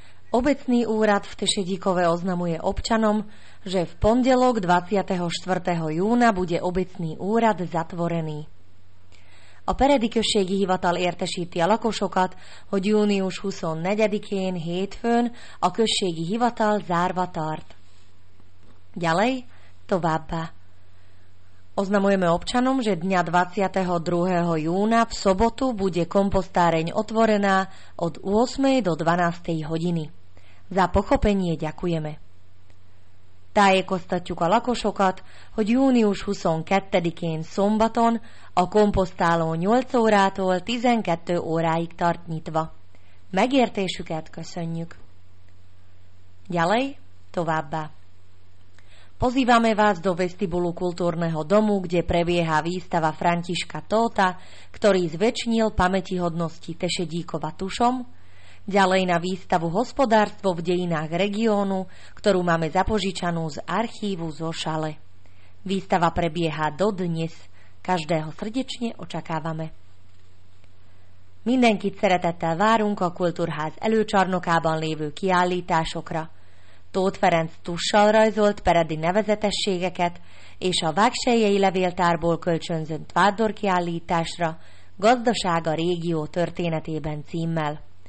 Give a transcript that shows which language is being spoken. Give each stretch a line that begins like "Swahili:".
Slovak: Obecný úrad v Tešedíkove oznamuje občanom, že v pondelok 24. júna bude obecný úrad zatvorený.
Hungarian: Operedikőségi hivatal értesíti a lakosokat, hogy június 24-én hétfőn a községi hivatal zárva tart.
Slovak: Ďalej,
Hungarian: továbbá.
Slovak: Oznamujeme občanom, že dňa 22. júna v sobotu bude kompostáreň otvorená od 8. do 12. hodiny. Za pochopenie ďakujeme.
Hungarian: Tájékoztatjuk a lakosokat, hogy június 22-én szombaton a komposztáló 8 órától 12 óráig tart nyitva. Megértésüket köszönjük.
Slovak: Ďalej,
Hungarian: továbbá.
Slovak: Pozývame vás do vestibulu kultúrneho domu, kde prebieha výstava Františka Tóta, ktorý zväčšnil pamätihodnosti Tešedíkova tušom, ďalej na výstavu Hospodárstvo v dejinách regiónu, ktorú máme zapožičanú z archívu zo Šale. Výstava prebieha do dnes. Každého srdečne očakávame.
Hungarian: Mindenkit szeretettel várunk a Kultúrház előcsarnokában lévő kiállításokra. Tóth Ferenc tussal rajzolt peredi nevezetességeket és a Vágsellyei levéltárból kölcsönzött vándor kiállításra Gazdaság a régió történetében címmel.